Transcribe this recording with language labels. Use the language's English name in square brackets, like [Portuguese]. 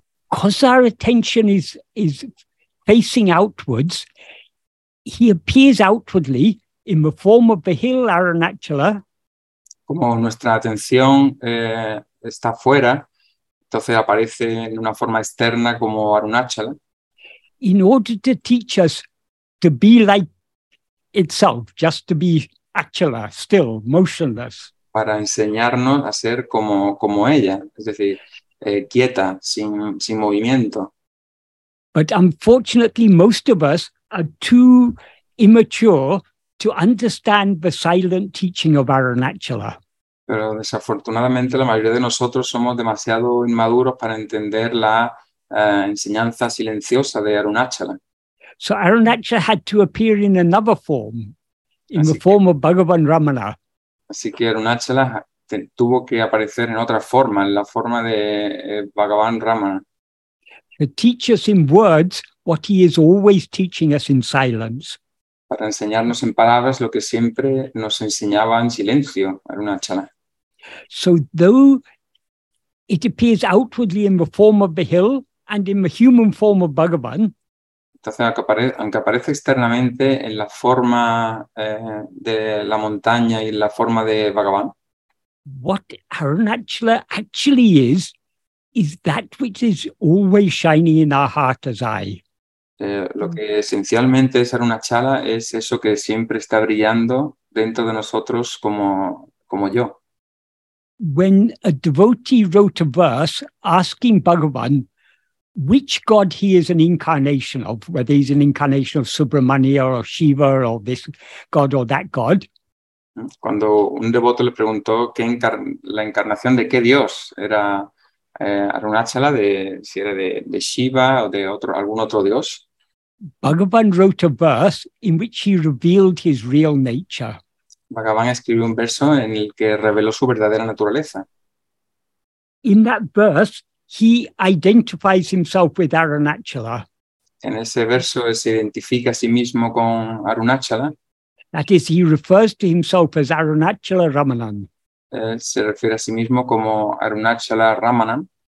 [English] Because our attention is facing outwards, he appears outwardly in the form of the hill Arunachala. [Spanish] Como nuestra atención está fuera, entonces aparece en una forma externa como Arunachala. [English] In order to teach us to be like itself, just to be Achala, still, motionless. [Spanish] Para enseñarnos a ser como ella, es decir, quieta, sin movimiento. [English] But unfortunately, most of us are too immature to understand the silent teaching of Arunachala. [Spanish] Pero desafortunadamente, la mayoría de nosotros somos demasiado inmaduros para entender la... enseñanza silenciosa de Arunachala. [English] So Arunachala had to appear in another form, in the form of Bhagavan Ramana. [Spanish] Así que Arunachala tuvo que aparecer en otra forma, en la forma de Bhagavan Ramana. [English] To teach us in words what he is always teaching us in silence. [Spanish] Para enseñarnos en palabras lo que siempre nos enseñaba en silencio, Arunachala. [English] So though it appears outwardly in the form of the hill, and in the human form of Bhagavan. [Spanish] Entonces, aunque aparece externamente en la forma de la montaña y en la forma de Bhagavan. [English] What Arunachala actually is that which is always shining in our heart as I. [Spanish] Lo que esencialmente es Arunachala es eso que siempre está brillando dentro de nosotros como yo. [English] When a devotee wrote a verse asking Bhagavan which god he is an incarnation of, whether he's an incarnation of Subramania or Shiva or this god or that god. [Spanish] Cuando un devoto le preguntó qué la encarnación de qué dios era Arunachala, de si era de Shiva o de otro algún otro dios. [English] Bhagavan wrote a verse in which he revealed his real nature. [Spanish] Bhagavan escribió un verso en el que reveló su verdadera naturaleza. [English] In that verse, he identifies himself with Arunachala. [Spanish] En ese verso se identifica a sí mismo con Arunachala. [English] That is, he refers to himself as Arunachala Ramanan. [Spanish] Se refiere a sí mismo como Arunachala Ramanan.